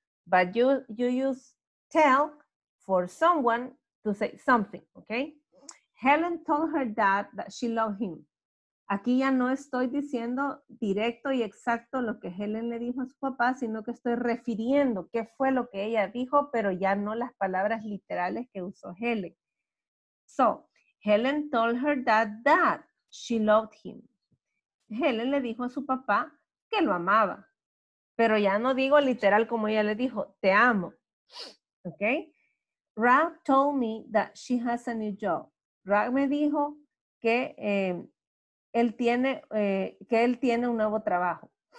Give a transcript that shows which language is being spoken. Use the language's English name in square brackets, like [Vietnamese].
[English] But you use tell for someone to say something, okay? Helen told her dad that she loved him. [Spanish] Aquí ya no estoy diciendo directo y exacto lo que Helen le dijo a su papá, sino que estoy refiriendo qué fue lo que ella dijo, pero ya no las palabras literales que usó Helen. [English] So, Helen told her dad that she loved him. [Spanish] Helen le dijo a su papá que lo amaba. Pero ya no digo literal como ella le dijo, te amo. [English] Okay? Rag told me that she has a new job. [Spanish] Rag me dijo que él tiene un nuevo trabajo.